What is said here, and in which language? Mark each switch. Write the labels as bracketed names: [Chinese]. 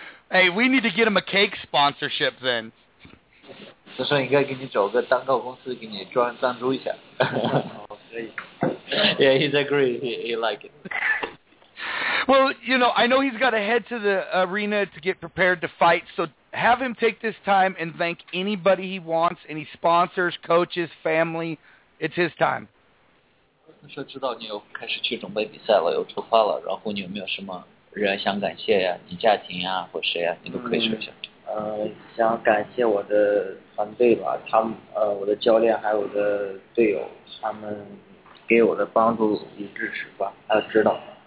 [English] Hey, we need to get him a cake sponsorship then. [Chinese] 他说应该给你找个蛋糕公司给你赚赞助一下。哦，可以。 [English] Yeah, he's agreed. He like it. Well, you know, I know he's got to head to the arena to get prepared to fight, so have him take this time and thank anybody he wants, any sponsors, coaches, family. It's his time. [Chinese] 他说知道你又开始去准备比赛了，又出发了，然后你有没有什么人想感谢呀，你家庭呀，或谁呀，你都可以说一下。想感谢我的团队吧，他们我的教练还有我的队友，他们给我的帮助与支持吧，还有指导。